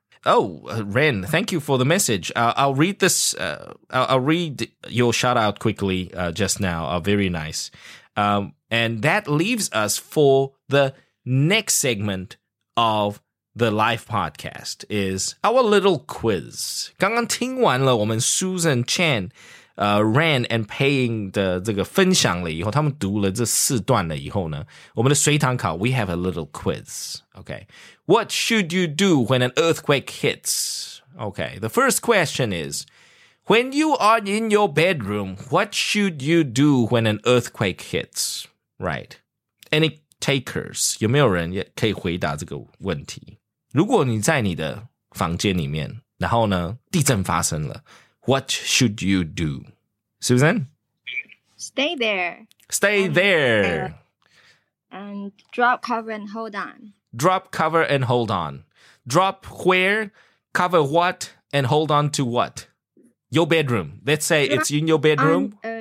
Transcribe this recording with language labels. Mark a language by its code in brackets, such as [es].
[en] Oh, Ren, thank you for the message. I'll read this. I'll read your shout out quickly just now. Very nice. And that leaves us for the next segment of the live podcast is our little quiz. [zh] 刚刚听完了我们 Susan Chan, Ren and Paying 的这个分享了以后，他们读了这四段了以后呢，我们的随堂考 [en] we have a little quiz. Okay. What should you do when an earthquake hits? Okay, the first question is, when you are in your bedroom, what should you do when an earthquake hits? Right. Any takers? [zh] 有没有人也可以回答这个问题？如果你在你的房间里面，然后呢，地震发生了， [en] what should you do? Susan? Stay there. Stay there. And drop cover and hold on. Drop cover and hold on. Drop where, cover what, and hold on to what? Your bedroom. Let's say it's in your bedroom.